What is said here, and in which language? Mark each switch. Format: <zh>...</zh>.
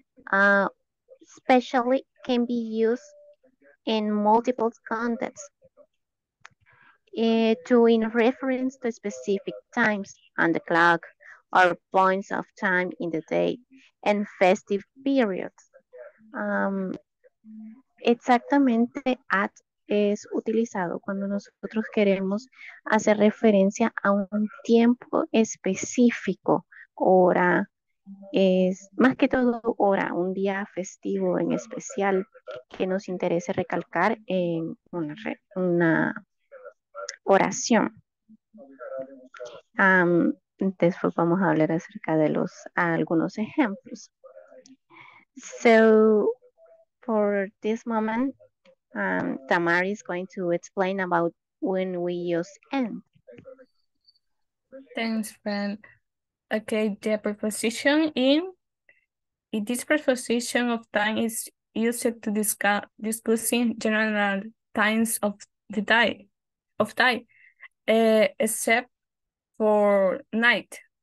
<en>Especially can be used in multiple contexts to in reference to specific times on the clock or points of time in the day and festive periods.</en> <es>Exactamente, at es utilizado cuando nosotros queremos hacer referencia a un tiempo específico, hora, es más que todo hora, un día festivo en especial que nos interese recalcar en una oración. Después vamos a hablar acerca de algunos ejemplos.</es> <en>So, for this moment, Tamari is going to explain about when we use and. Thanks, friend. Okay, the preposition in this preposition of time is used to discussing general times of the day, except for night.</en>